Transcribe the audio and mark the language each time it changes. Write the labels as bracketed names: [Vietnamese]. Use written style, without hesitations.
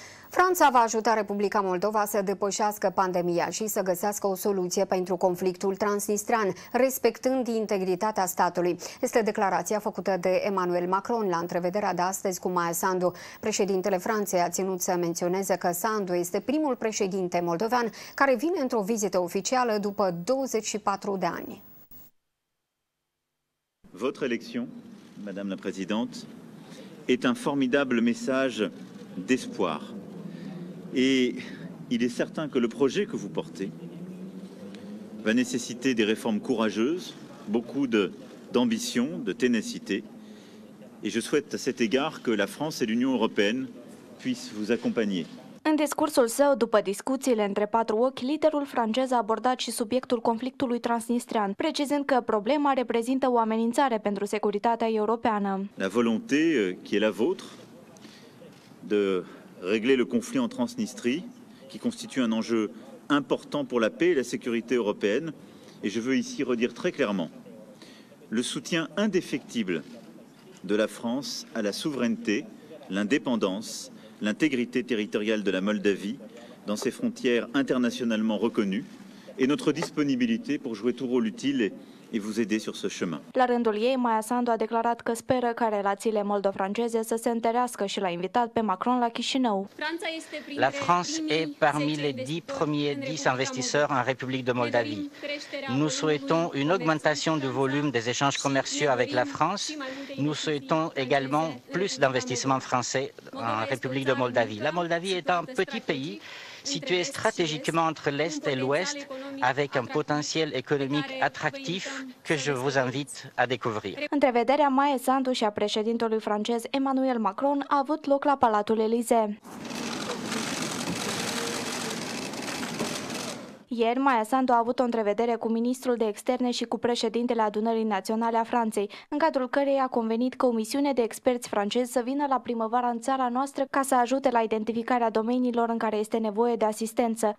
[Romanian] Franța va ajuta Republica Moldova să depășească pandemia și să găsească o soluție pentru conflictul transnistrean, respectând integritatea statului. Este declarația făcută de Emmanuel Macron la întrevederea de astăzi cu Maia Sandu. Președintele Franței a ținut să menționeze că Sandu este primul președinte moldovean care vine într-o vizită oficială după 24 de ani. [French] Votre élection, madame la présidente, est un formidable message d'espoir. Et il est certain que le projet que vous portez va nécessiter des réformes courageuses, beaucoup d'ambition, de ténacité. Et je souhaite à cet égard que la France et l'Union européenne puissent vous accompagner. [Romanian] În discursul său, după discuțiile între patru ochi, liderul francez a abordat și subiectul conflictului transnistrian, precizând că problema reprezintă o amenințare pentru securitatea europeană. [French] La volonté qui est la vôtre de régler le conflit en Transnistrie, qui constitue un enjeu important pour la paix et la sécurité européenne. Et je veux ici redire très clairement le soutien indéfectible de la France à la souveraineté, l'indépendance, l'intégrité territoriale de la Moldavie dans ses frontières internationalement reconnues et notre disponibilité pour jouer tout rôle utile et vous aider sur ce chemin. [Romanian] La rândul ei, Maia Sandu a declarat că speră ca relațiile moldo-franceze să se întărească și l-a invitat pe Macron la Chișinău. [French] La France est parmi les 10 investisseurs en République de Moldavie. Nous souhaitons une augmentation du volume des échanges commerciaux avec la France. Nous souhaitons également plus d'investissements français en République de Moldavie. La Moldavie est un petit pays situé stratégiquement entre l'Est et l'Ouest, avec un potentiel économique attractif que je vous invite à découvrir. [Romanian] Întrevederea Maia Sandu și a președintelui francez Emmanuel Macron a avut loc la Palatul Elysée. Ieri, Maia Sandu a avut o întrevedere cu ministrul de externe și cu președintele Adunării Naționale a Franței, în cadrul căreia a convenit că o misiune de experți francezi să vină la primăvară în țara noastră ca să ajute la identificarea domeniilor în care este nevoie de asistență.